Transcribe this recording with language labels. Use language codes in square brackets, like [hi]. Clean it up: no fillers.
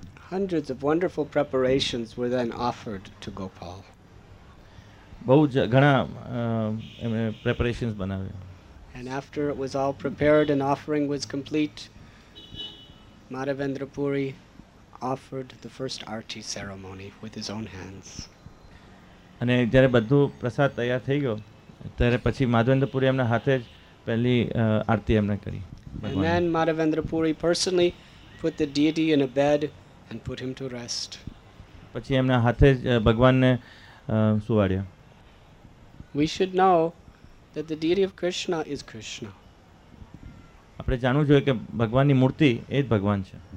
[en] Hundreds of wonderful preparations were then offered to Gopal. [gu] બહુ જ ઘણા એમણે પ્રેપરેશન્સ બનાવ્યા. [en] And after it was all prepared and offering was complete, Madhavendra Puri offered the first aarti ceremony with his own hands. [gu] અને જ્યારે બધું પ્રસાદ તૈયાર થઈ ગયો, ત્યારે પછી માધવેન્દ્ર પુરી એમના હાથે જ પહેલી આરતી એમણે કરી. [en] And then Madhavendra Puri personally put the deity in a bed and put him to rest. [gu] પછી એમના હાથે ભગવાનને સુવાડ્યા. [en] We should know that the deity of Krishna is Krishna. [gu] આપણે જાણવું જોઈએ કે ભગવાનની મૂર્તિ એ જ ભગવાન છે.